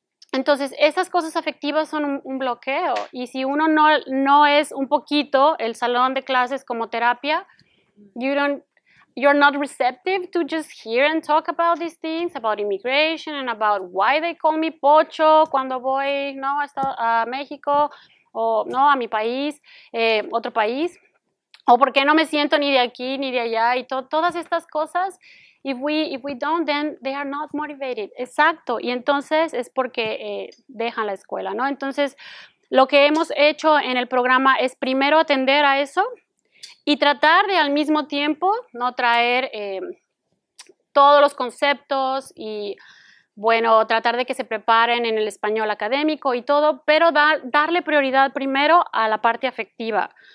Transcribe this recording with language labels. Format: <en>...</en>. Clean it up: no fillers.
<es>Entonces, esas cosas afectivas son un bloqueo. Y si uno no es un poquito el salón de clases como terapia,</es> <en>you're not receptive to just hear and talk about these things, about immigration and about why they call me pocho</en> <es>cuando voy, ¿no?, a México o no a mi país, otro país. O por qué no me siento ni de aquí ni de allá y todas estas cosas.</es> <en>If we don't, then they are not motivated.</en> <es>Exacto. Y entonces es porque dejan la escuela, ¿no? Entonces, lo que hemos hecho en el programa es primero atender a eso y tratar de al mismo tiempo no traer todos los conceptos y, bueno, tratar de que se preparen en el español académico y todo, pero darle prioridad primero a la parte afectiva.</es>